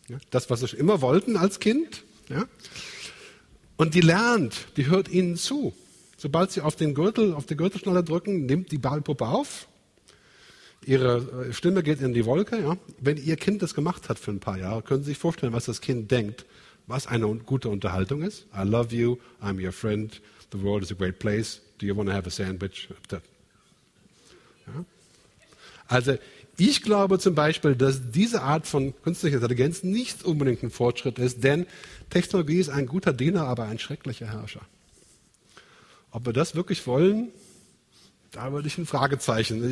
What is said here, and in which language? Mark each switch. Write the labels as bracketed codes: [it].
[de] Das, was Sie schon immer wollten als Kind. Ja. Und die lernt, die hört Ihnen zu. Sobald Sie auf die Gürtelschnalle drücken, nimmt die Barbie-Puppe auf. Ihre Stimme geht in die Wolke. Ja. Wenn Ihr Kind das gemacht hat für ein paar Jahre, können Sie sich vorstellen, was das Kind denkt, was eine gute Unterhaltung ist. [en] I love you, I'm your friend, the world is a great place. Do you want to have a sandwich? [de] Ja. Also, ich glaube zum Beispiel, dass diese Art von künstlicher Intelligenz nicht unbedingt ein Fortschritt ist, denn Technologie ist ein guter Diener, aber ein schrecklicher Herrscher. Ob wir das wirklich wollen, da würde ich ein Fragezeichen.